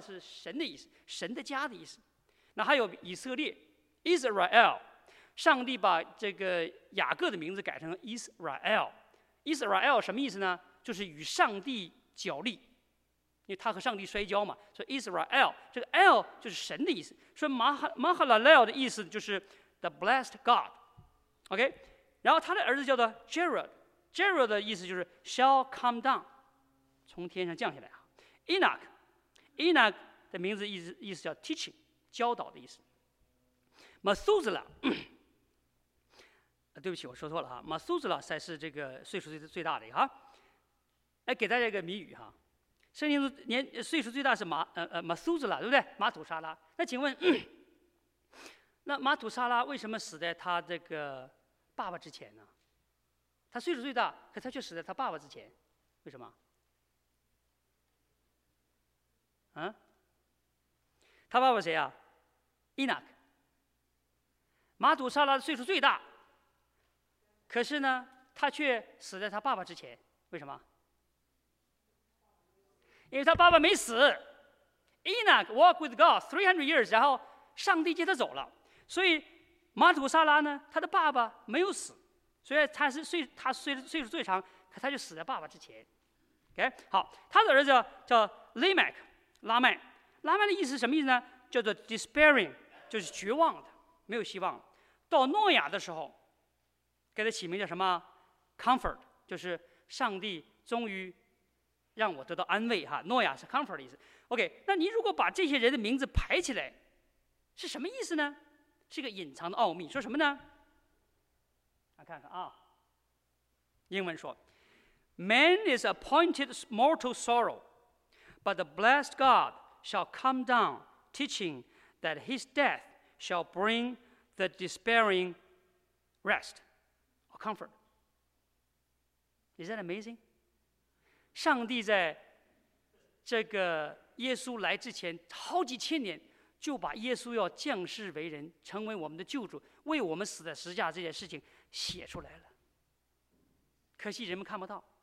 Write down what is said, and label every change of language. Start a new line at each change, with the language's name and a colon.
Chinese: 是神的意思，神的家的意思。那还有以色列。 Israel， 上帝把这个雅各的名字改成 Israel。 Israel 什么意思呢？就是与上帝角力，因为他和上帝摔跤嘛，所以 Israel 这个 L 就是神的意思。所以 Mahalalel 的意思就是
English: the blessed God。
Chinese: OK， 然后他的儿子叫做 Jared 的意思就是
English: shall come down，
Chinese: 从天上降下来啊。 Enoch 的名字意思叫 teaching， 教导的意思。 Methuselah， 对不起我说错了哈， Methuselah 才是这个岁数最大的哈。哎，给大家一个谜语哈，圣经年岁数最大是Methuselah， 对不对？马土沙拉。那请问那马土沙拉为什么死在他这个爸爸之前呢？他岁数最大，可他却死在他爸爸之前，为什么？他爸爸谁啊？伊拿克。马杜莎拉的岁数最大，可是呢，他却死在他爸爸之前。为什么？因为他爸爸没死。
English: Enoch walked with God 300 years，
Chinese: 然后上帝接他走了。所以马杜莎拉呢，他的爸爸没有死，所以他岁数最长，可他就死在爸爸之前。
English: Okay?
Chinese: 好，他的儿子叫 Lamech， 拉麦。拉麦的意思是什么意思呢？叫做 despairing， 就是绝望的，没有希望。到诺亚的时候，给他起名叫什么 ？Comfort， 就是上帝终于让我得到安慰哈。诺亚是 comfort 的意思。 OK， 那你如果把这些人的名字排起来，是什么意思呢？是一个隐藏的奥秘。说什么呢？来看看啊，英文说
English: ：“Man is appointed mortal sorrow, but the blessed God shall come down, teaching that his death shall bring the despairing rest or comfort.” Is that amazing?
Chinese: 上帝在这个耶稣来之前好几千年就把耶稣要降世为人，成为我们的救主，为我们死在十字架这件事情写出来了。可惜人们看不到。